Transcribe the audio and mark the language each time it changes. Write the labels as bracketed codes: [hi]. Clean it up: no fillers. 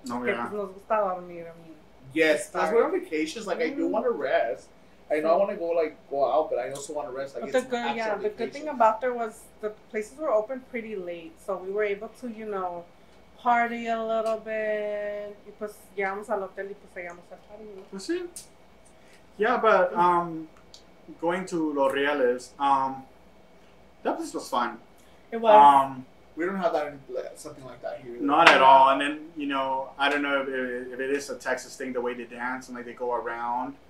[en] That's where vacations. Like, I do want to rest. I know I want to go out, but I also want to rest. The good thing about there was the places were open pretty late, so we were able to, you know, party a little bit. [es] Y pues llegamos al hotel y pues llegamos al party. [en] Yeah, but going to Los Reales, that place was fun. It was. We don't have that in something like that here. Not at all. And then, you know, I don't know if it is a Texas thing, the way they dance and like they go around.